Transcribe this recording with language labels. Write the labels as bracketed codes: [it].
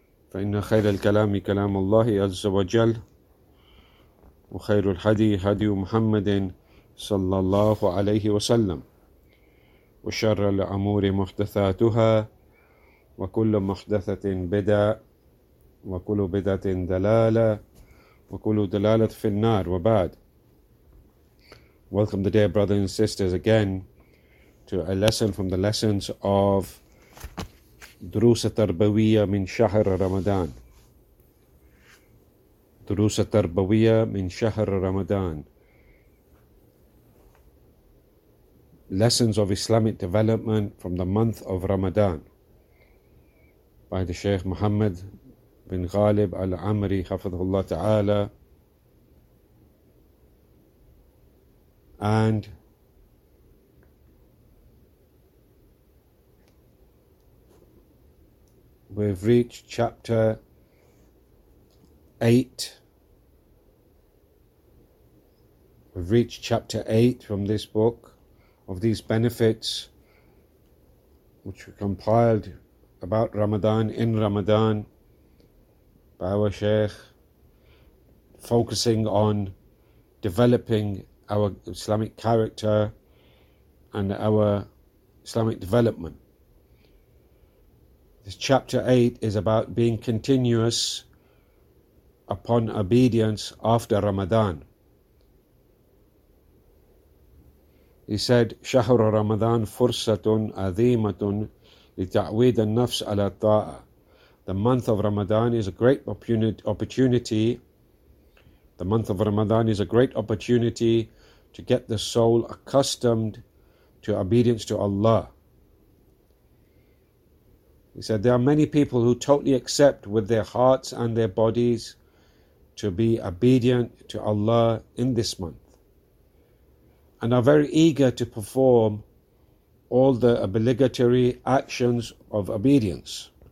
[ar] فإن خير الكلام كلام الله عز وجل وخير الهدي هدي محمد صلى الله عليه وسلم وشر الأمور محدثاتها وكل محدثة بدعة وكل بدعة دلالة وكل دلالة في النار وبعد. [en] Welcome today, brothers and sisters, again to a lesson from the lessons of [ar] دروس التربوية من شهر رمضان. دروس التربوية من شهر رمضان. [en] Lessons of Islamic Development from the month of Ramadan. By the Sheikh Muhammad bin Ghalib al-Amri, hafidhullah ta'ala. And we've reached chapter 8. We've reached chapter 8 from this book of these benefits which were compiled about Ramadan, in Ramadan, by our Sheikh, focusing on developing our Islamic character and our Islamic development. This chapter 8 is about being continuous upon obedience after Ramadan. He said, [ar] شهر رمضان فرصة عظيمة لتعويد النفس على الطاعة. [en] The month of Ramadan is a great opportunity. The month of Ramadan is a great opportunity to get the soul accustomed to obedience to Allah. He said, there are many people who totally accept with their hearts and their bodies to be obedient to Allah in this month and are very eager to perform all the obligatory actions of obedience.